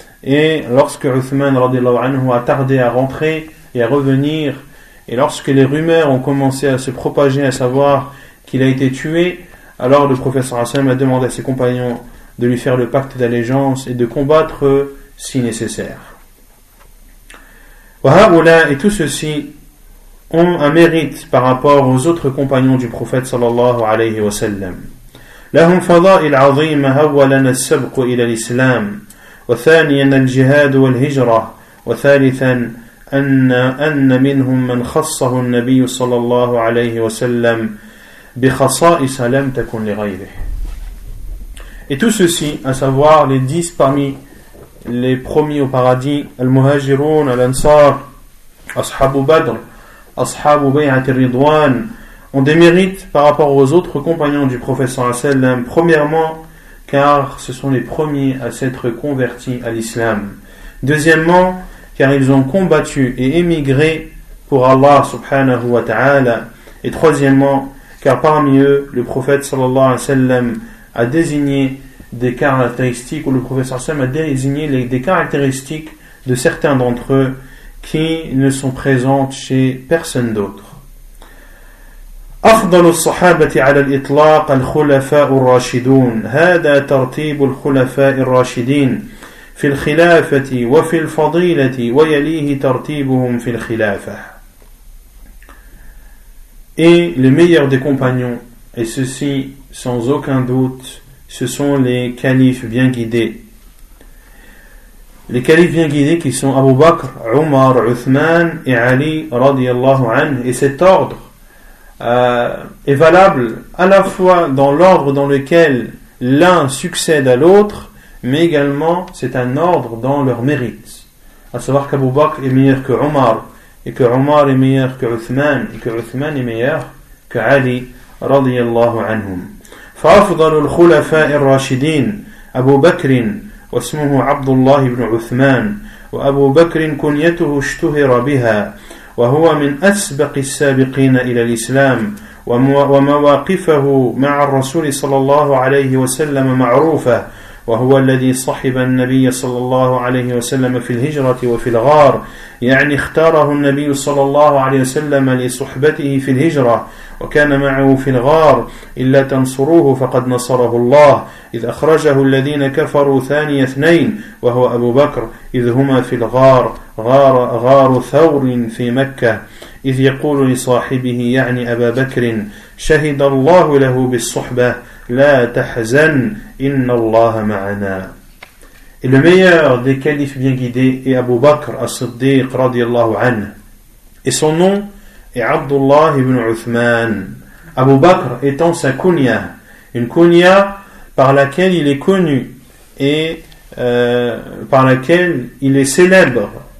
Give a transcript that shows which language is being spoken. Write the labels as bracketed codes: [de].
[fr] Et lorsque Uthman radiallahu anhu a tardé à rentrer et à revenir, et lorsque les rumeurs ont commencé à se propager, à savoir qu'il a été tué, alors le prophète sallallahu alayhi wa sallam a demandé à ses compagnons de lui faire le pacte d'allégeance et de combattre si nécessaire. Wahaoula, et tout ceci ont un mérite par rapport aux autres compagnons du prophète sallallahu alayhi wa sallam. [ar] لهم فضائل عظيمة أولا السبق إلى الإسلام وثانيا الجهاد والهجرة وثالثا أن منهم من خصه النبي صلى الله عليه وسلم بخصائص لم تكن لغيره. [fr] Et tout ceci, à savoir les 10 parmi les promis au paradis, Al-Muhajirun, Al-Ansar, Ashabu Badr, Ashabu Bay'at al-Ridwan, ont des mérites par rapport aux autres compagnons du prophète sallallahu alayhi wa sallam, premièrement, car ce sont les premiers à s'être convertis à l'islam. Deuxièmement, car ils ont combattu et émigré pour Allah subhanahu wa ta'ala. Et troisièmement, car parmi eux, le prophète sallallahu alayhi wa sallam a désigné des caractéristiques, ou le prophète sallallahu alayhi wa sallam a désigné des caractéristiques de certains d'entre eux qui ne sont présentes chez personne d'autre. [ar] أفضل الصحابة على الإطلاق الخلفاء الراشدون هذا ترتيب الخلفاء الراشدين في الخلافة وفي الفضيلة ويليه ترتيبهم في الخلافة. [fr] Et les meilleurs des compagnons, et ceci sans aucun doute, ce sont les califes bien guidés. Les califes bien guidés qui sont Abu Bakr, Umar, Uthman et Ali radiyallahu anhu. Et cet ordre est valable à la fois dans l'ordre dans lequel l'un succède à l'autre, mais également c'est un ordre dans leur mérite. À savoir qu'Abu Bakr est meilleur que Omar, et que Omar est meilleur que Uthman, et que Uthman est meilleur que Ali radiyallahu anhum. [ar] فأفضل الخلفاء الراشدين أبو بكر واسمه عبد الله بن عثمان وأبو بكر كنيته اشتهر بها وهو من أسبق السابقين إلى الإسلام ومواقفه مع الرسول صلى الله عليه وسلم معروفة وهو الذي صحب النبي صلى الله عليه وسلم في الهجرة وفي الغار، يعني اختاره النبي صلى الله عليه وسلم لصحبته في الهجرة وكان معه في الغار، إلا تنصروه فقد نصره الله، إذ أخرجه الذين كفروا ثاني اثنين وهو أبو بكر، إذ هما في الغار غار ثور في مكة، إذ يقول لصاحبه يعني أبا بكر: شهد الله له بالصحبة، لا تحزن، إن الله معنا. [fr] Et le meilleur des califes bien guidés est Abu Bakr as-Siddiq radiallahu anh. Et son nom est Abdullah ibn Uthman. Abu Bakr étant sa kunya, une kunya par laquelle il est connu et par laquelle il est célèbre.